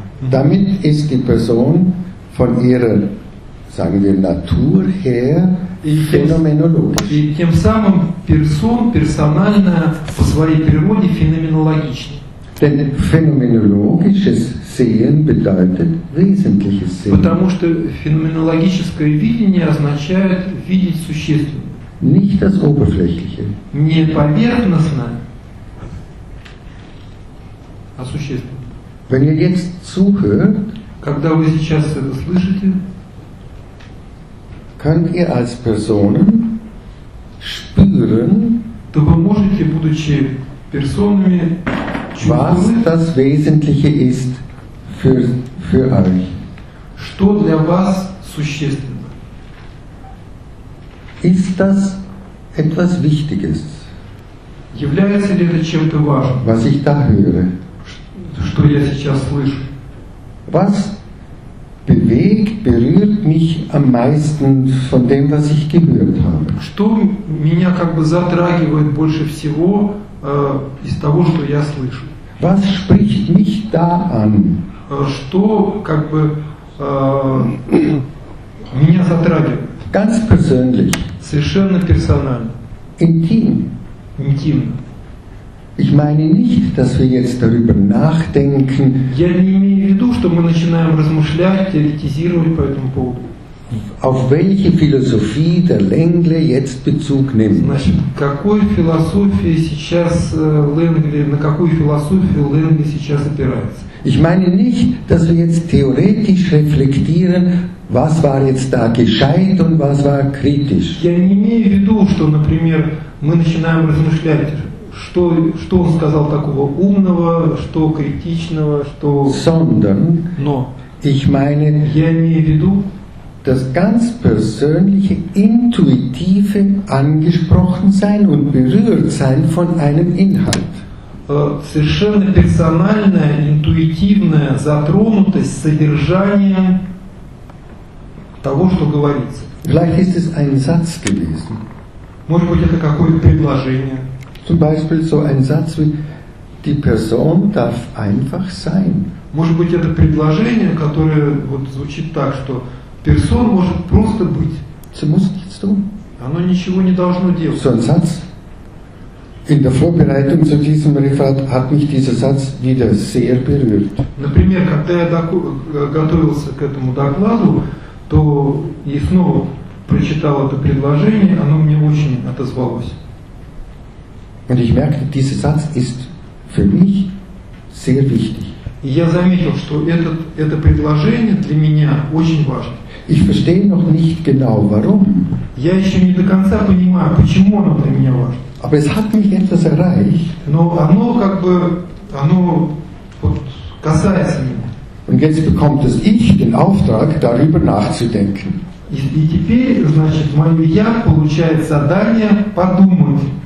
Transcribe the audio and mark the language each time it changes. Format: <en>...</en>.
<de>Damit ist die Person von ihrer, sagen wir, Natur her phänomenologisch.</de> <ru>И тем самым персональная по своей природе феноменологична.</ru> <de>Denn phänomenologisches Sehen bedeutet wesentliches Sehen.</de> <ru>Потому что феноменологическое видение означает видеть существенное.</ru> <de>Nicht das Oberflächliche.</de> <ru>Не поверхностное, а существенное.</ru> <de>Wenn ihr jetzt zuhört,</de> <ru>когда вы сейчас это слышите,</ru> <de>könnt ihr als Personen spüren,</de> <ru>то вы можете, будучи персонами,</ru> <de>was das Wesentliche ist für euch.</de> <ru>Что для вас существенно?</ru> <de>Ist das etwas Wichtiges?</de> <ru>Является ли это чем-то важным?</ru> <de>Was ich da höre.</de> <ru>Что я сейчас слышу?</ru> <de>Was bewegt, berührt mich am meisten von dem, was ich gehört habe?</de> <ru>Что меня как бы затрагивает больше всего из того, что я слышу?</ru> <de>Was spricht mich da an?</de> <ru>Что как бы меня затрагивает?</ru> <de>Ganz persönlich.</de> <ru>Совершенно персонально.</ru> <de>Intim. Intim. Ich meine nicht, dass wir jetzt darüber nachdenken.</de> <ru>Я не имею в виду, что мы начинаем размышлять, теоретизировать по этому поводу.</ru> <de>Auf welche Philosophie der Lengle jetzt Bezug nimmt?</de> <ru>Значит, какой философии сейчас Ленгли, на какую философию Ленгли сейчас опирается?</ru> <de>Ich meine nicht, dass wir jetzt theoretisch reflektieren, was war jetzt da gescheit und was war kritisch.</de> <ru>Я не имею в виду, что, например, мы начинаем размышлять. Что он сказал такого умного, что критичного, что...</ru> <de>Sondern,</de> <ru>но</ru> <de>ich meine,</de> <ru>я имею в виду,</ru> <de>das ganz persönliche, intuitive Angesprochensein und Berührtsein von einem Inhalt.</de> <ru>Совершенно персональная, интуитивная затронутость содержанием того, что говорится.</ru> <de>Vielleicht ist es ein Satz gewesen.</de> <ru>Может быть, это какое-то предложение.</ru> <de>Zum Beispiel so ein Satz wie, die Person darf einfach sein.</de> <ru>Может быть, это предложение, которое вот звучит так, что person может просто быть.</ru> <de>Sie muss nichts tun.</de> <ru>Оно ничего не должно делать.</ru> <de>So ein Satz. In der Vorbereitung zu diesem Referat hat mich dieser Satz wieder sehr berührt.</de> <ru>Например, когда я готовился к этому докладу, то и снова прочитал это предложение, оно мне очень отозвалось.</ru> <de>Und ich merkte, dieser Satz ist für mich sehr wichtig.</de> <ru>Я заметил, что это предложение для меня очень важно.</ru> <de>Ich verstehe noch nicht genau, warum.</de> <ru>Я еще не до конца понимаю, почему оно для меня важно.</ru> <de>Aber es hat mich etwas erreicht.</de> <ru>Но оно как бы, оно вот касается меня.</ru> <de>Und jetzt bekommt es ich den Auftrag, darüber nachzudenken.</de> <ru>И теперь, значит, мое «я» получает задание подумать.</ru>